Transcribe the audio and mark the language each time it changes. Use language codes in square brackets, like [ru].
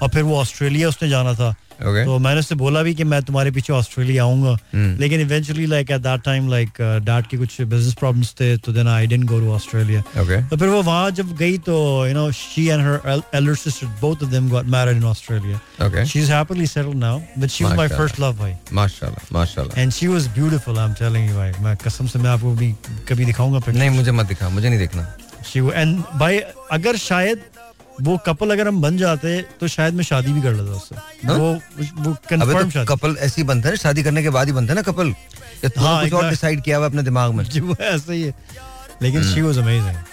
[hi] और फिर वो ऑस्ट्रेलिया उसने जाना था. [en] Okay. [hi] तो मैंने उससे बोला भी कि मैं तुम्हारे पीछे ऑस्ट्रेलिया आऊंगा लेकिन [en] eventually like at that time like dad [hi] के कुछ बिजनेस प्रॉब्लम्स थे तो [en] Then I didn't go to Australia. Okay. [hi] तो फिर वो वहां जब गई तो [en] You know she and her elder sister both of them got married in Australia. Okay. She's happily settled now but she was my first love bhai. [ar] Mashallah, mashallah. [en] And she was beautiful I'm telling you bhai. [hi] Main kasam se main aapko bhi kabhi dikhaunga picture. Nahi mujhe mat dikha, mujhe nahi dekhna. She and bhai agar shayad वो couple अगर हम बन जाते तो शायद मैं शादी भी कर लेता उससे. वो कंफर्म तो कपल ऐसी बनते हैं शादी करने के बाद ही बनते हैं ना कपल. हाँ, कुछ और डिसाइड किया हुआ अपने दिमाग में जी वो ऐसा ही है लेकिन [en] She was amazing.